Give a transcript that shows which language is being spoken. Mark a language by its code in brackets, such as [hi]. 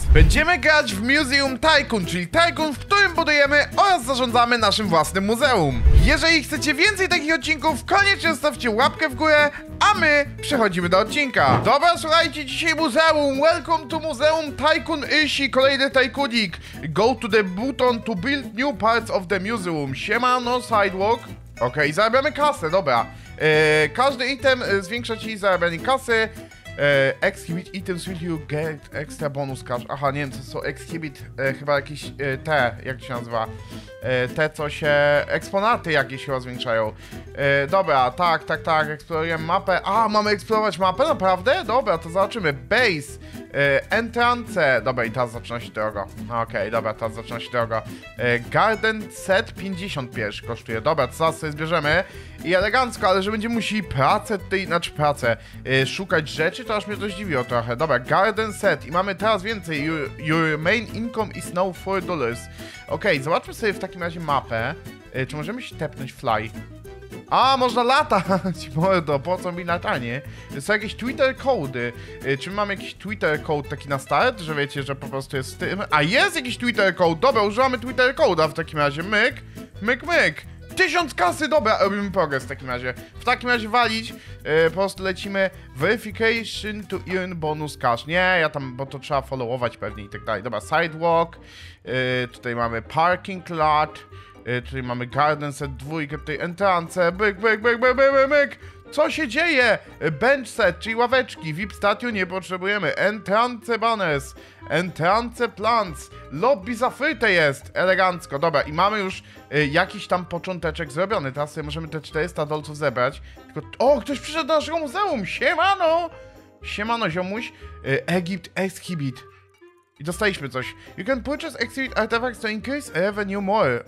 [pl] Będziemy grać w Museum Tycoon, czyli Tycoon, w którym budujemy oraz zarządzamy naszym własnym muzeum. Jeżeli chcecie więcej takich odcinków, koniecznie zostawcie łapkę w górę, a my przechodzimy do odcinka. Dobra, słuchajcie, dzisiaj muzeum. [en] Welcome to Museum Tycoon Ishi, [pl] kolejny tycoonik. [en] Go to the button to build new parts of the museum. [pl] Siemano, sidewalk. Okej, okay, zarabiamy kasę, dobra. Każdy item zwiększa ci zarabianie kasy. [en] Exhibit items will you get extra bonus cash. [pl] Aha, nie wiem co są exhibit, chyba jakieś te, jak się nazywa. Te co się, eksponaty jakieś się zwiększają. Dobra, tak, eksplorujemy mapę. A, mamy eksplorować mapę, naprawdę? Dobra, to zobaczymy, base. Entrance, dobra, i teraz zaczyna się drogo. Okej, okay, dobra, teraz zaczyna się drogo. Garden set 50 pierwszy kosztuje, dobra, to zaraz sobie zbierzemy. I elegancko, ale że będziemy musieli pracę tej, znaczy pracę, szukać rzeczy, to aż mnie to zdziwiło trochę. Dobra, garden set i mamy teraz więcej. [en] Your main income is now $4. [pl] Okej, okay, zobaczmy sobie w takim razie mapę. Czy możemy się tepnąć fly? A, można latać, mordo, po co mi latanie? Są jakieś Twitter kody. Czy mam jakiś Twitter code taki na start, że wiecie, że po prostu jest z tym? A, jest jakiś Twitter code, dobra, używamy Twitter code'a w takim razie, myk, myk, myk. 1000 kasy, dobra, robimy progres w takim razie. W takim razie walić, po prostu lecimy. [en] Verification to earn bonus cash. [pl] Nie, ja tam, bo to trzeba followować pewnie i tak dalej. Dobra, sidewalk, tutaj mamy parking lot. Czyli mamy garden set, dwójkę tej entrance, byk, byk, byk, byk, byk, byk, byk. Co się dzieje? Bench set, czyli ławeczki, VIP statue nie potrzebujemy. Entrance banners, entrance plants, lobby zafryte jest, elegancko, dobra. I mamy już jakiś tam począteczek zrobiony. Teraz sobie możemy te 400 dolców zebrać. Tylko, o, ktoś przyszedł do naszego muzeum, siemano. Siemano, ziomuś. Egypt exhibit. I dostaliśmy coś. [en] You can purchase exhibit artifacts to increase revenue more.